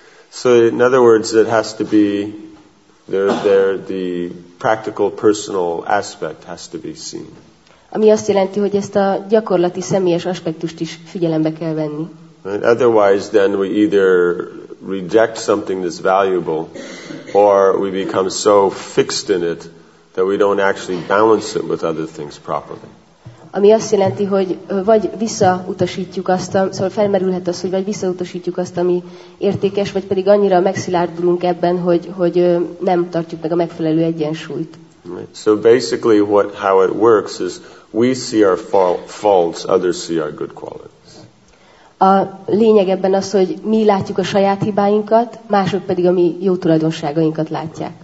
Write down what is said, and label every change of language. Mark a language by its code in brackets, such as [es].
[en] So in other words, it has to be there the practical personal aspect has to be seen. [hu] Ami azt jelenti, hogy ezt a gyakorlati személyes aspektust is figyelembe kell venni. [en] And otherwise, then we either reject something that's valuable, or we become so fixed in it that we don't actually balance it with other things properly. [hu] Ami azt jelenti, hogy vagy visszautasítjuk azt, szóval felmerülhet az, hogy vagy visszautasítjuk azt, ami értékes, vagy pedig annyira megszilárdulunk ebben, hogy nem tartjuk meg a megfelelő egyensúlyt. [en] Right. So basically, how it works is we see our faults, others see our good qualities. [hu] A lényeg ebben az, hogy mi látjuk a saját hibáinkat, mások pedig a mi jó tulajdonságainkat látják.